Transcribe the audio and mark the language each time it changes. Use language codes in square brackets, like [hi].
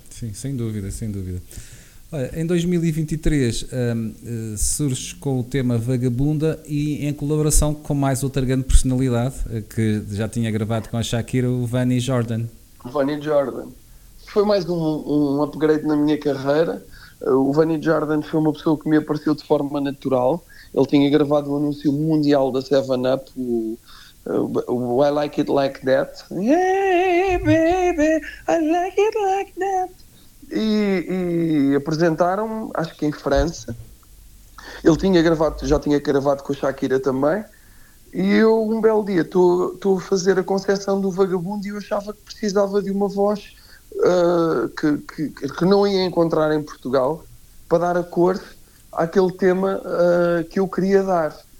[pt] Sim, sem dúvida, sem dúvida. Olha, em 2023 surge com o tema Vagabunda, e em colaboração com mais outra grande personalidade que já tinha gravado com a Shakira, o Vani Jordan. Vani Jordan foi mais um upgrade na minha carreira. O Vani Jordan foi uma pessoa que me apareceu de forma natural. Ele tinha gravado o anúncio mundial da 7-Up, o I Like It Like That. [en] Hey baby, I like it like that. [pt] E apresentaram-me, acho que em França. Ele já tinha gravado com a Shakira também. E eu, um belo dia, estou a fazer a concessão do Vagabundo, e eu achava que precisava de uma voz que não ia encontrar em Portugal, para dar a cor àquele tema que eu queria dar.